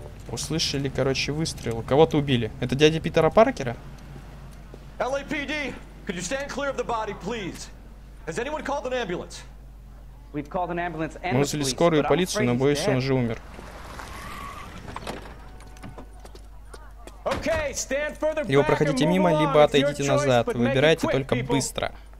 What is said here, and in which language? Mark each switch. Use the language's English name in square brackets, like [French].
[Russian] Услышали, короче, выстрел. Кого-то убили. Это дядя Питера Паркера? [English] LAPD, could you stand clear of the body, please? Has anyone called an ambulance? We've called an ambulance and the police. [Russian] Мы вызвали скорую и полицию, но боюсь, он же умер. [English] Okay, stand further back. [Russian] Его проходите мимо, либо отойдите назад. Выбирайте только быстро.